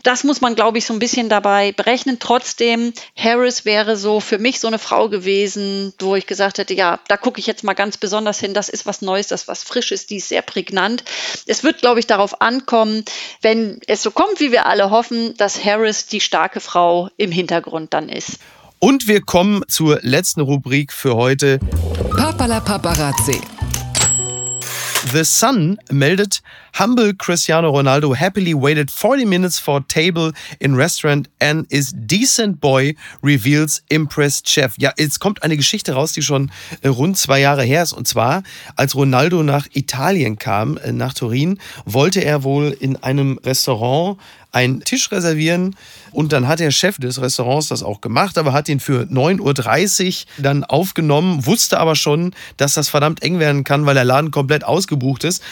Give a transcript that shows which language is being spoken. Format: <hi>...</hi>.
<de>Das muss man, glaube ich, so ein bisschen dabei berechnen. Trotzdem, Harris wäre so für mich so eine Frau gewesen, wo ich gesagt hätte, ja, da gucke ich jetzt mal ganz besonders hin, das ist was Neues, das ist was Frisches, die ist sehr prägnant. Es wird, glaube ich, darauf ankommen, wenn es so kommt, wie wir alle hoffen, dass Harris die starke Frau im Hintergrund dann ist. Und wir kommen zur letzten Rubrik für heute. Papala Paparazzi.</de> <en>The Sun</en> <de>meldet,</de> <en>humble Cristiano Ronaldo happily waited 40 minutes for table in restaurant and is decent boy, reveals impressed chef.</en> <de>Ja, jetzt kommt eine Geschichte raus, die schon rund 2 Jahre her ist. Und zwar, als Ronaldo nach Italien kam, nach Turin, wollte er wohl in einem Restaurant einen Tisch reservieren. Und dann hat der Chef des Restaurants das auch gemacht, aber hat ihn für 9.30 Uhr dann aufgenommen, wusste aber schon, dass das verdammt eng werden kann, weil der Laden komplett ausgebucht ist.</de>